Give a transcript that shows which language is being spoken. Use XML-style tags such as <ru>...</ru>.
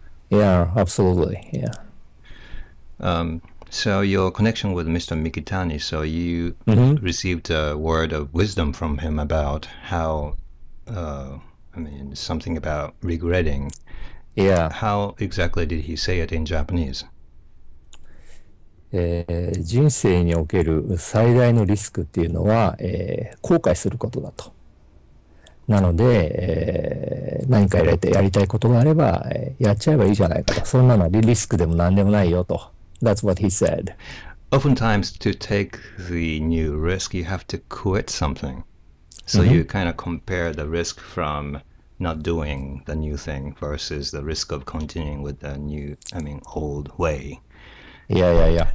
<en>Yeah, absolutely. Yeah. So your connection with Mr. Mikitani, so you mm-hmm. received a word of wisdom from him about how, something about regretting. Yeah. How exactly did he say it in Japanese?</en> <ja>人生における最大のリスクっていうのは、後悔することだと。なので、何かやりたいことがあれば、やっちゃえばいいじゃないかと。そんなのはリスクでも何でもないよと。</ja> <en>That's what he said. Oftentimes, to take the new risk, you have to quit something. So、mm-hmm. you kind of compare the risk from not doing the new thing versus the risk of continuing with the new, old way. Yeah.</en>